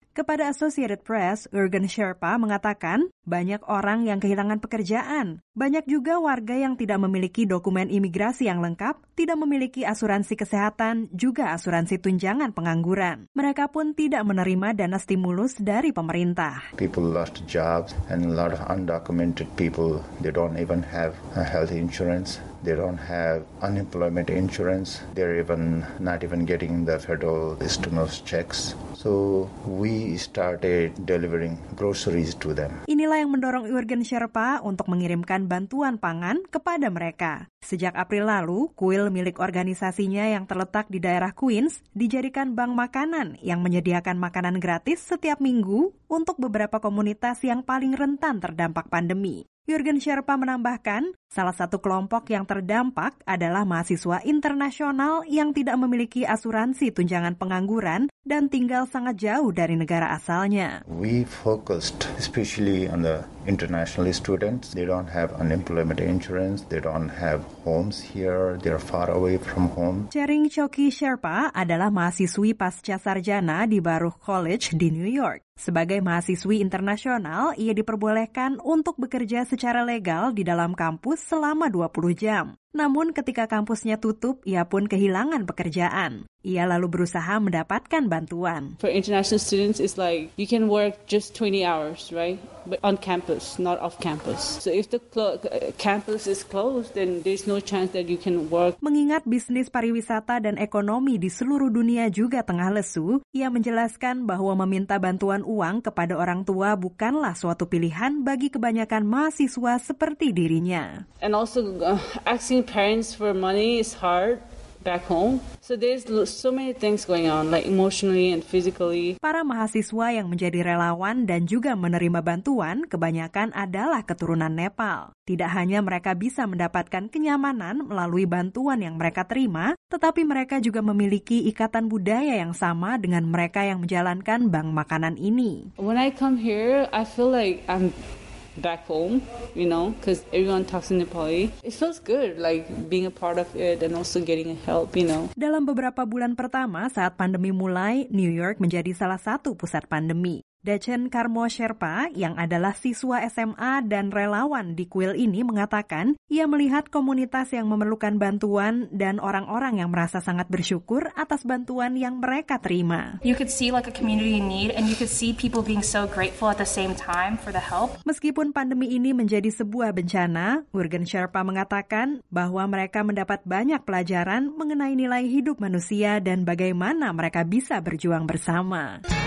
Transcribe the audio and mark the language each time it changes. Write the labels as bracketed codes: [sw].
[id] Kepada Associated Press, Lurgan Sherpa mengatakan, banyak orang yang kehilangan pekerjaan. Banyak juga warga yang tidak memiliki dokumen imigrasi yang lengkap, tidak memiliki asuransi kesehatan, juga asuransi tunjangan pengangguran. Mereka pun tidak menerima dana stimulus dari pemerintah. [en] People lost jobs and a lot of undocumented people, they don't even have a health insurance. They don't have unemployment insurance. They're even not even getting the federal stimulus checks. So we started delivering groceries to them. [id] Inilah yang mendorong Lurgan Sherpa untuk mengirimkan bantuan pangan kepada mereka. Sejak April lalu, kuil milik organisasinya yang terletak di daerah Queens dijadikan bank makanan yang menyediakan makanan gratis setiap minggu untuk beberapa komunitas yang paling rentan terdampak pandemi. Lurgan Sherpa menambahkan, salah satu kelompok yang terdampak adalah mahasiswa internasional yang tidak memiliki asuransi tunjangan pengangguran dan tinggal sangat jauh dari negara asalnya. [en] We focused especially on the international students. They don't have unemployment insurance, they don't have homes here, they're far away from home. [id] Charing Choki Sherpa adalah mahasiswi pasca sarjana di Baruch College di New York. Sebagai mahasiswi internasional, ia diperbolehkan untuk bekerja secara legal di dalam kampus selama 20 jam. Namun ketika kampusnya tutup, ia pun kehilangan pekerjaan. Ia lalu berusaha mendapatkan bantuan. [en] For international students, it's like you can work just 20 hours, right? But on campus, not off campus. So if the campus is closed, then there's no chance that you can work. [id] Mengingat bisnis pariwisata dan ekonomi di seluruh dunia juga tengah lesu, ia menjelaskan bahwa meminta bantuan uang kepada orang tua bukanlah suatu pilihan bagi kebanyakan mahasiswa seperti dirinya. [en] And also asking parents for money is hard back home. So there's so many things going on, like emotionally and physically. [id] Para mahasiswa yang menjadi relawan dan juga menerima bantuan kebanyakan adalah keturunan Nepal. Tidak hanya mereka bisa mendapatkan kenyamanan melalui bantuan yang mereka terima, tetapi mereka juga memiliki ikatan budaya yang sama dengan mereka yang menjalankan bank makanan ini. [en] When I come here, I feel like I'm back home, you know, because everyone talks in Nepali. It feels good, like being a part of it and also getting help, you know. [id] Dalam beberapa bulan pertama saat pandemi mulai, New York menjadi salah satu pusat pandemi. Dechen Karmo Sherpa, yang adalah siswa SMA dan relawan di kuil ini, mengatakan ia melihat komunitas yang memerlukan bantuan dan orang-orang yang merasa sangat bersyukur atas bantuan yang mereka terima. [en] You could see like a community in need and you could see people being so grateful at the same time for the help. [id] Meskipun pandemi ini menjadi sebuah bencana, Urgen Sherpa mengatakan bahwa mereka mendapat banyak pelajaran mengenai nilai hidup manusia dan bagaimana mereka bisa berjuang bersama.